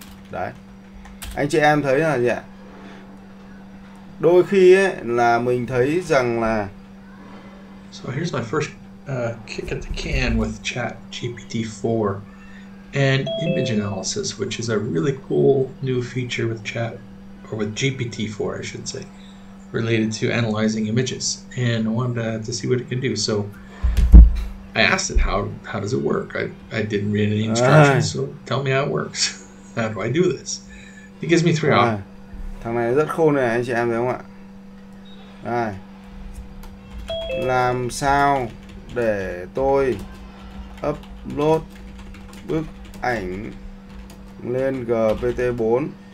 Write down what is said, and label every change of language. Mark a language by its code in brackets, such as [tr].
[vi] Đấy, anh chị em thấy là gì ạ? Đôi khi ấy, là mình thấy rằng là [en] so here's my first kick at the can with ChatGPT-4 and image analysis, which is a really cool new feature with chat, or with GPT-4 I should say, related to analyzing images, and I wanted to see what it can do. So I asked it, how does it work? I didn't read any instructions, so tell me how it works. How do I do this? It gives me three options. [vi] Thằng này rất khôn này, anh chị em thấy không ạ? Đây. Làm sao để tôi upload bức ảnh lên GPT-4?